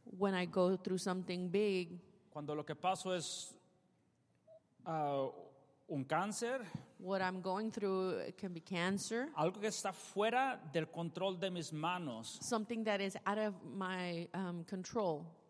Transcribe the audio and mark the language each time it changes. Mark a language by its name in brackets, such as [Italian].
[English] When I go through something big. [Spanish] Cuando lo que paso es un cáncer. [English] What I'm going through can be cancer. [Spanish] Algo que está fuera del control de mis manos. [English] Something that is out of my control.